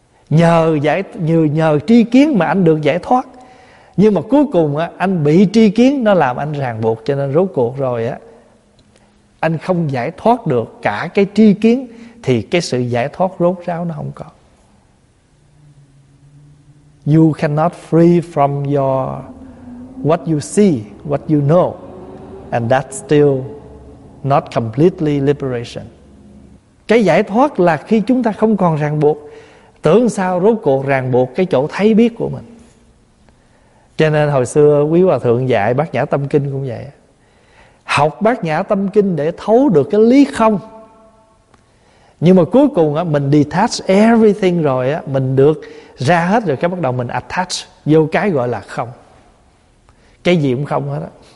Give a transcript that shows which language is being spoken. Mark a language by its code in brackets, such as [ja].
[vi] Nhờ tri kiến mà anh được giải thoát. Nhưng mà cuối cùng á, anh bị tri kiến nó làm anh ràng buộc, cho nên rốt cuộc rồi á, anh không giải thoát được cả cái tri kiến, thì cái sự giải thoát rốt ráo nó không có. [en] You cannot free from your what you see, what you know, and that's still not completely liberation. [vi] Cái giải thoát là khi chúng ta không còn ràng buộc. Tưởng sao rốt cuộc ràng buộc cái chỗ thấy biết của mình. Cho nên hồi xưa quý hòa thượng dạy Bát Nhã Tâm Kinh cũng vậy. Học Bát Nhã Tâm Kinh để thấu được cái lý không, nhưng mà cuối cùng á, mình [en] detach everything [vi] rồi á, mình được ra hết rồi, cái bắt đầu mình attach vô cái gọi là không. cái gì cũng không hết á.